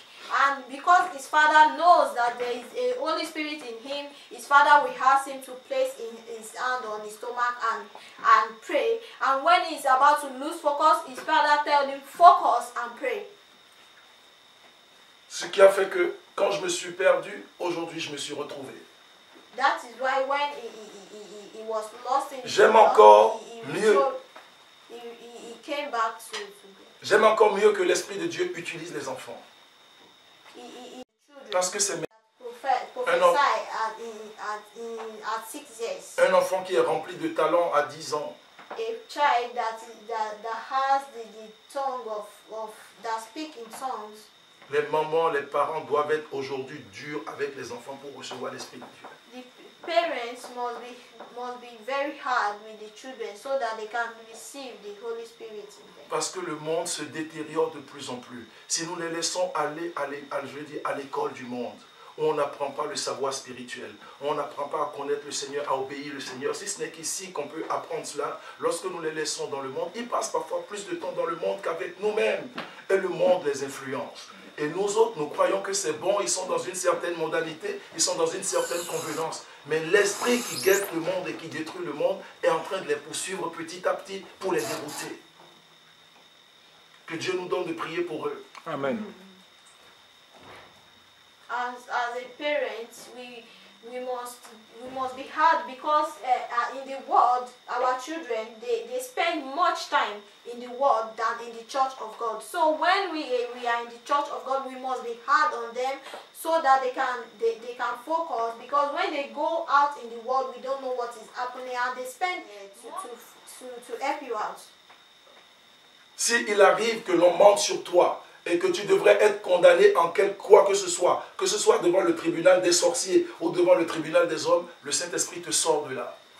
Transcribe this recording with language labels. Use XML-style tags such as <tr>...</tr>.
<en>And because his father knows that there is a Holy Spirit in him, his father will ask him to place in his hand on his stomach and pray. And when he's about to lose focus, his father tells him, focus and pray.</en> <fr>Ce qui a fait que quand je me suis perdu, aujourd'hui je me suis retrouvé.</fr> <en>That is why when he was lost in</en> <fr>j'aime</fr> <en>the</en> <fr>encore mieux.</fr> <en>He came back to</en> <fr>j'aime encore mieux que l'Esprit de Dieu utilise les enfants. Parce que c'est un enfant qui est rempli de talent à 10 ans.</fr> <en>A child that has the tongue of that speak in tongues.</en> <fr>Les mamans, les parents doivent être aujourd'hui durs avec les enfants pour recevoir l'Esprit de Dieu.</fr> <en>The parents must be very hard with the children so that they can receive the Holy Spirit in them.</en> <fr>Parce que le monde se détériore de plus en plus. Si nous les laissons aller à l'école du monde, où on n'apprend pas le savoir spirituel, où on n'apprend pas à connaître le Seigneur, à obéir le Seigneur, si ce n'est qu'ici qu'on peut apprendre cela, lorsque nous les laissons dans le monde, ils passent parfois plus de temps dans le monde qu'avec nous-mêmes. Et le monde les influence. Et nous autres, nous croyons que c'est bon, ils sont dans une certaine modalité, ils sont dans une certaine convenance. Mais l'esprit qui guette le monde et qui détruit le monde est en train de les poursuivre petit à petit pour les dérouter. Que Dieu nous donne de prier pour eux. Amen.</fr> <en>As a parent, we we must be hard because in the world our children they spend much time in the world than in the church of God. So when we are in the church of God, we must be hard on them so that they can focus, because when they go out in the world, we don't know what is happening, and they spend to help you out.</en> <fr>Si il arrive que l'on monte sur toi et que tu devrais être condamné en quoi que ce soit devant le tribunal des sorciers ou devant le tribunal des hommes, le Saint-Esprit te sort de là.</fr>